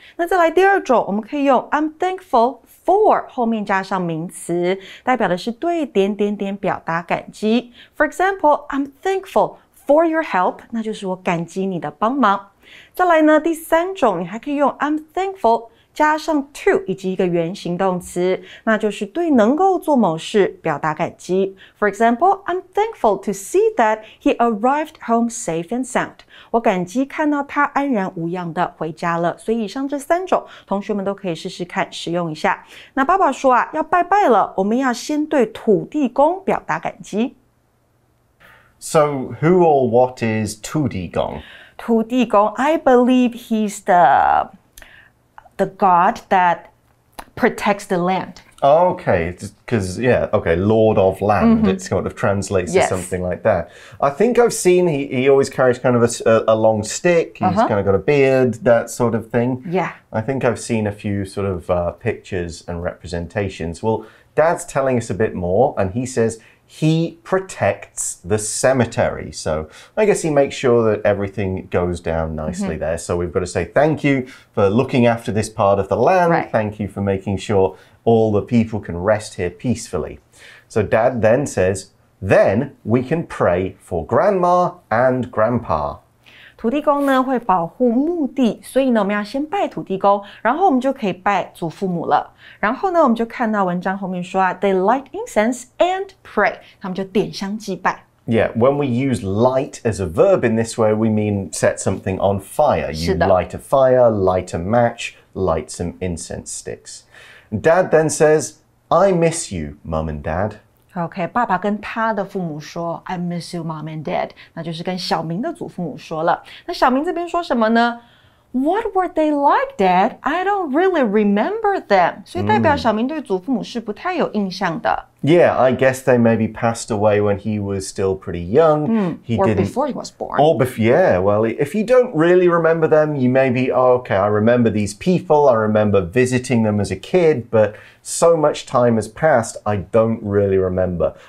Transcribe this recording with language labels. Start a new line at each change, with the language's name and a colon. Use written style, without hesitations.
Chinese: 那再来第二种，我们可以用
English: I'm thankfulFor
Chinese: 后面加上名词，代表的是对点点点表达感激。
English: For example, I'm thankful for your help.
Chinese: 那就是我感激你的帮忙。再来呢，第三种，你还可以用
English: I'm thankful
Chinese: 加上 to 以及一个原形动词，那就是对能够做某事表达感激。
English: For example, I'm thankful to see that he arrived home safe and sound.
Chinese: 我感激看到他安然无恙的回家了。所以以上这三种，同学们都可以试试看使用一下。那爸爸说啊，要拜拜了，我们要先对土地公表达感激。
English: So, who or what is 土地公? 土地公, I believe he's the god that protects the land. Okay, because, yeah, okay, lord of land, mm-hmm. it sort of translates to something like that. I think I've seen, he always carries kind of a long stick, he's kind of got a beard, that sort of thing. Yeah. I think I've seen a few sort of pictures and representations. Well, Dad's telling us a bit more, and he says... He protects the cemetery. So I guess he makes sure that everything goes down nicely there. So we've got to say thank you for looking after this part of the land. Right. Thank you for making sure all the people can rest here peacefully. So Dad then says, then we can pray for Grandma and Grandpa.
Chinese: 土地公呢会保护墓地，所以呢我们要先拜土地公，然后我们就可以拜祖父母了。然后呢我们就看到文章后面说啊 ，
English: they light incense and pray，
Chinese: 他们就点香祭拜。
English: Yeah, when we use light as a verb in this way, we mean set something on fire. You light a fire, light a match, light some incense sticks. Dad then says, "I miss you, Mum and Dad."
Chinese: Okay, 爸爸跟他的父母说
English: I miss you, mom and dad.
Chinese: 那就是跟小明的祖父母说了。那小明这边说什么呢
English: What were they like, dad? I don't really remember them.
Chinese: 所以代表小明对祖父母是不太有印象的。
English: Yeah, I guess they maybe passed away when he was still pretty young. Before he was born. Well, if you don't really remember them, you may be, oh, okay, I remember these people, I remember visiting them as a kid, but so much time has passed, I don't really remember.